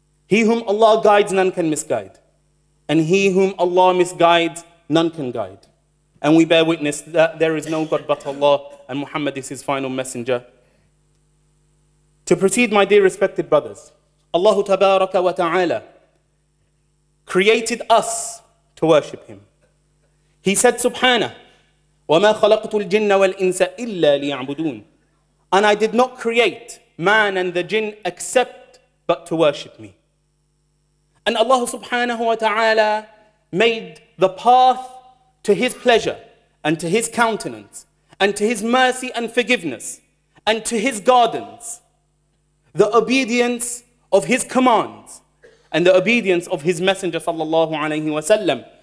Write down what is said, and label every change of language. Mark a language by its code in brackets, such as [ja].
[en] He whom Allah guides, none can misguide. And he whom Allah misguides, none can guide. And we bear witness that there is no God but Allah, and Muhammad is his final messenger. To proceed, my dear respected brothers, Allah tabaraka wa ta'ala created us to worship him. He said, [ar] Subhanah, وَمَا خَلَقْتُ الْجِنَّ وَالْإِنسَ إِلَّا لِيَعْبُدُونَ. [en] And I did not create man and the jinn except but to worship me. And Allah subhanahu wa ta'ala made the path to his pleasure and to his countenance and to his mercy and forgiveness and to his gardens, the obedience of his commands and the obedience of his messenger sallallahu alayhi wa sallam.